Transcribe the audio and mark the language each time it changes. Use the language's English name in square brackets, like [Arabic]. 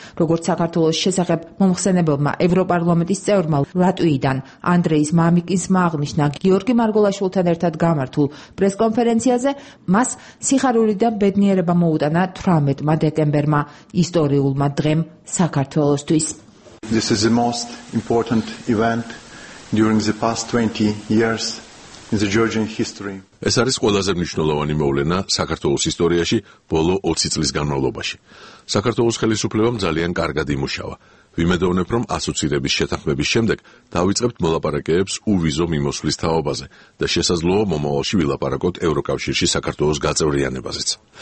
[Georgian] როგორც საქართველოს შესახებ მომხსენებელმა ევროპარლამენტის წევრმა ლატვიიდან ანდრეის მამიკინსმა აღნიშნა გიორგი მარგოლაშვილთან ერთად გამართულ პრესკონფერენციაზე, მას სიხარული და ბედნიერება მოუტანა 18 დეკემბერმა, ისტორიულმა დღემ საქართველოსთვის. [English] This is the most important event during the past 20 years in the Georgian history. [Georgian] ეს არის ყველაზე მნიშვნელოვანი მოვლენა საქართველოს ისტორიაში ბოლო 20 წლის განმავლობაში. საქართველოს ხელისუფლებამ ძალიან კარგად იმუშავა. ვიმედოვნებ, რომ ასოცირების შეთანხმების შემდეგ დავიწყებთ მოლაპარაკებებს უვიზო მიმოსვლის თაობაზე და შესაძლოა მომავალში ვილაპარაკოთ ევროკავშირში საქართველოს გაწევრიანებაზეც.